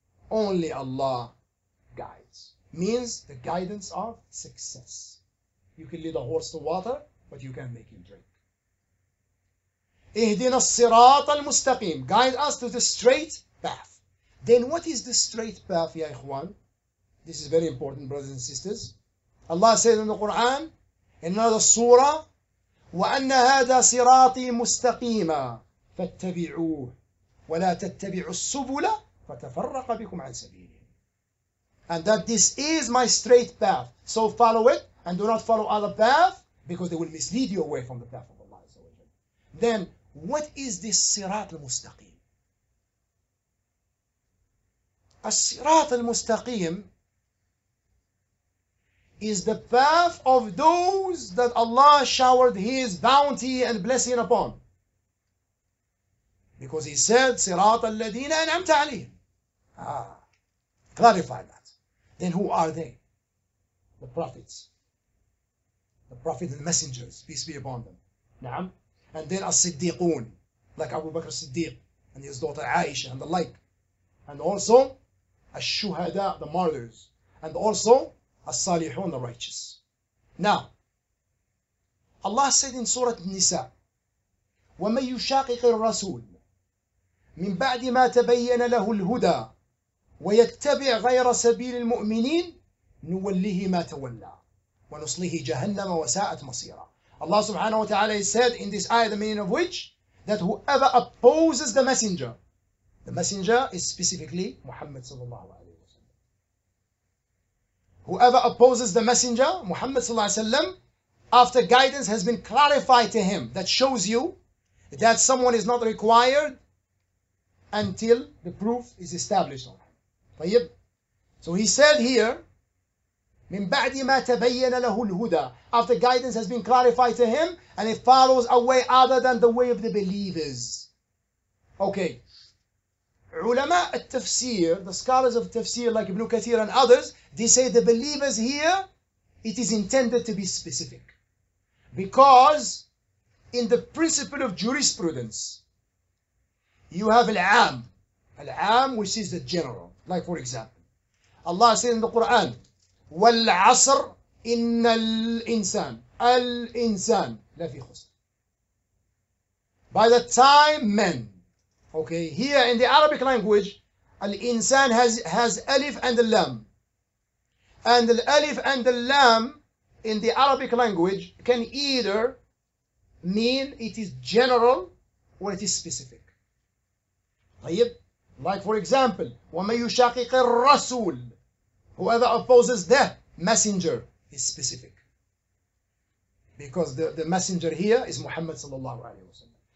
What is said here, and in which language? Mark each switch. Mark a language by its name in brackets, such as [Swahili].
[English] Only Allah guides. Means the guidance of success. You can lead a horse to water, but you can't make him drink. [Arabic] اهدنا الصراط المستقيم. [English] Guide us to the straight path. Then what is the straight path, ya ikhwan? This is very important, brothers and sisters. Allah says in the Quran, in another surah, [Arabic] وَأَنَّ هَذَا صِرَاطِي مُسْتَقِيمًا فَاتَّبِعُوهُ وَلَا تَتَّبِعُوا السُّبُلَ فَتَفَرَّقَ بِكُمْ عَنْ سَبِيلِهِ. [English] And that this is my straight path. So follow it and do not follow other path because they will mislead you away from the path of Allah. Then, what is this Sirat al-Mustaqim? As-Sirat al-Mustaqim is the path of those that Allah showered His bounty and blessing upon. Because He said, Sirat al-Ladina an'amta alayhim. Clarify that. Then who are they? The prophets. The prophets and messengers, peace be upon them. Na'am. And then as-siddiqun, like Abu Bakr as-siddiq and his daughter Aisha and the like. And also as-shuhada, the martyrs. And also as-salihun, the righteous. Now, Allah said in Surah An-Nisa, [Arabic] وَمَنْ يُشَاقِقِ الرَّسُولِ مِنْ بَعْدِ مَا تَبَيَّنَ لَهُ الْهُدَى وَيَتَّبِعْ غَيْرَ سَبِيلِ الْمُؤْمِنِينَ نُوَلِّهِ مَا تَوَلَّى. وَنُصْلِهِ جَهَنَّمَ وَسَاءَتْ مَصِيرًا. [English] Allah subhanahu wa ta'ala has said in this ayah, the meaning of which, that whoever opposes the messenger, the messenger is specifically Muhammad sallallahu alayhi wa sallam. Whoever opposes the messenger, Muhammad sallallahu alayhi wa sallam, after guidance has been clarified to him, that shows you that someone is not required until the proof is established on him. So he said here, [Arabic] مِن بَعْدِ مَا تَبَيَّنَ لَهُ الْهُدَى. [English] After guidance has been clarified to him, and it follows a way other than the way of the believers. Okay. Ulama al-Tafsir, the scholars of Tafsir like Ibn Kathir and others, they say the believers here, it is intended to be specific. Because in the principle of jurisprudence, you have al-Aam. Al-Aam, which is the general. Like for example, Allah said in the Quran, [Arabic] والعصر إن الإنسان الإنسان لا في خسر. [English] By the time men, okay, here in the Arabic language, الإنسان has ألف and لام. And الألف and لام in the Arabic language can either mean it is general or it is specific. [Arabic] طيب, [English] like for example, [Arabic] ومن يشاقق الرسول. [English] Whoever opposes the messenger is specific. Because the messenger here is Muhammad sallallahu alayhi wa sallam.